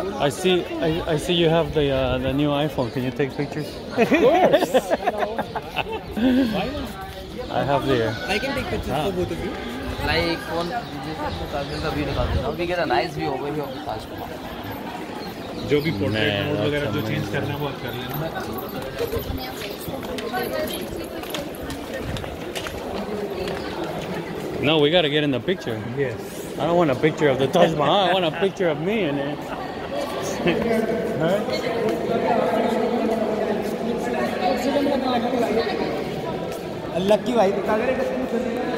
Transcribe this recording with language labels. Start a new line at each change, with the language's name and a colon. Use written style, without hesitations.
English: I see you have the new iPhone. Can you take pictures? Of course. I have the. I can take pictures for both of you. Like one, this is the Taj Mahal view. Now we get a nice view over here of the Taj Mahal.
Hindi: जो भी portrait mode वगैरह जो change करना है वो कर लेना.
English: No, we gotta get in the picture. Yes. I don't want a picture of the Taj Mahal. I want a picture of me in it. Lucky guy.